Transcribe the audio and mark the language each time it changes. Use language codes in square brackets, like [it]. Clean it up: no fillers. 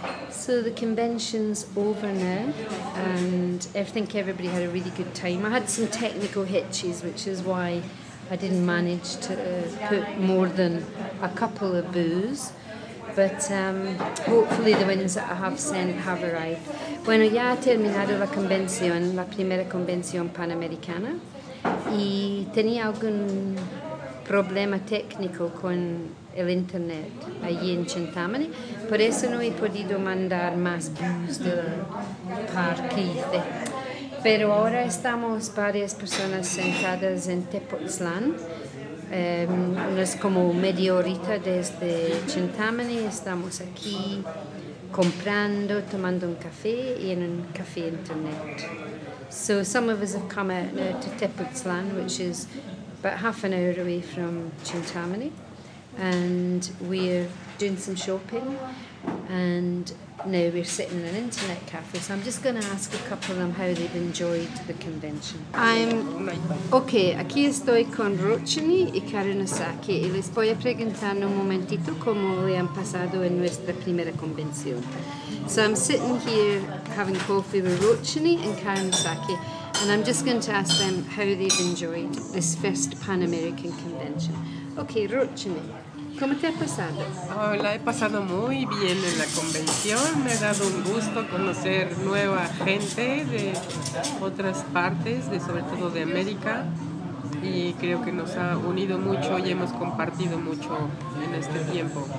[en] So the convention's over now, and I think everybody had a really good time. I had some technical hitches, which is why I didn't manage to put more than a couple of booze. But hopefully the winds that I have sent have arrived. [es] Bueno, ya ha terminado la convención, la primera convención panamericana, y tenía algún problema técnico con el internet allí en Chintamani, por eso no he podido mandar más booze del parque. Pero ahora estamos varias personas sentadas en Tepoztlán. Es como media horita desde Chintamani, estamos aquí comprando, tomando un café y en un café internet. [en] So some of us have come out now to Tepoztlán, which is about half an hour away from Chintamani, and we're doing some shopping, and now we're sitting in an internet cafe. So I'm just going to ask a couple of them how they've enjoyed the convention. [es] Okay, aquí estoy con Rochini y Karen Osaki, y les voy a preguntar un momentito cómo le han pasado en nuestra primera convención. [en] So I'm sitting here having coffee with Rochini and Karen Osaki, and I'm just going to ask them how they've enjoyed this first Pan-American convention. [es] Okay, Rochini. ¿Cómo te ha pasado? Oh, la he pasado muy bien en la convención. Me ha dado un gusto conocer nueva gente de otras partes, de sobre todo de América. Y creo que nos ha unido mucho y hemos compartido mucho en este tiempo.